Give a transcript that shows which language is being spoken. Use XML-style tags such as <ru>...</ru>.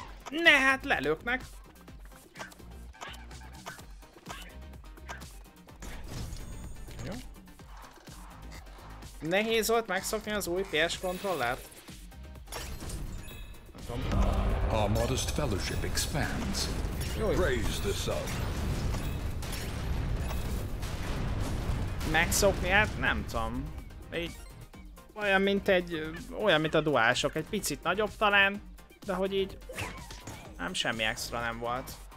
<hu>Ne, hát lelőknek. Jó. Nehéz volt megszokni az új PS kontrollert.</hu> <en>Our modest fellowship expands. Raise the sun.</en> <hu>Megszokni, hát nem tudom. Így olyan, mint egy, olyan, mint a duások. Egy picit nagyobb talán, de hogy így... nem, semmi extra nem volt.</hu>